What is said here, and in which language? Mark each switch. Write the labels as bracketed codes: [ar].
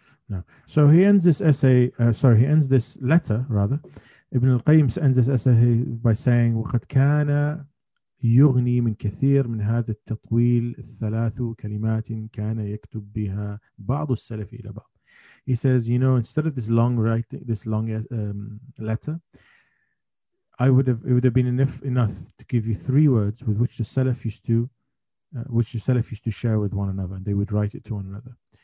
[en] No. So he ends this essay, he ends this letter, rather. Ibn al-Qayyim ends this essay by saying, [ar] وَقَدْ كَانَ يُغْنِي مِنْ كَثِيرٍ مِنْ هَذَا التَّطْوِيلِ الثَّلَاثُ كَلِمَاتٍ كَانَ يَكْتُبْ بِهَا بَعْضُ السَّلَفِ إِلَى بَعْضُ. [en] He says, you know, instead of this long writing, this long letter, it would have been enough to give you three words with which the Salaf used to, share with one another, and they would write it to one another.